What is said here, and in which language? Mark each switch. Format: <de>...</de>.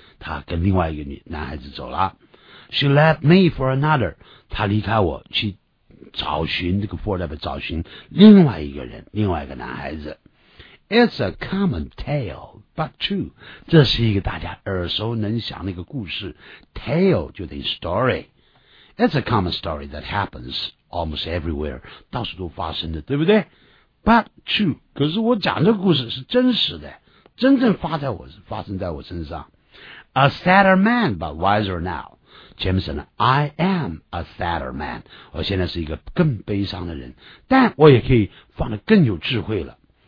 <zh>她跟另外一个男孩子走了 ，</zh> <en>She left me for another，</en> <zh>她离开我去。找寻这个 for 代表找寻另外一个人，另外一个男孩子。</zh> <en>It's a common tale, but true，</en> <zh>这是一个大家耳熟能详的一个故事。 Tale 就等于 story。</zh> <en>It's a common story that happens almost everywhere，</en> <zh>到处都发生的，对不对 ？</zh> <en>But true，</en> <zh>可是我讲这个故事是真实的，真正发生在我身上。</zh> <en>A sadder man, but wiser now。</en> <zh>Jameson，</zh> <en>I am a sadder man，</en> <zh>我现在是一个更悲伤的人，但我也可以放得更有智慧了。</zh>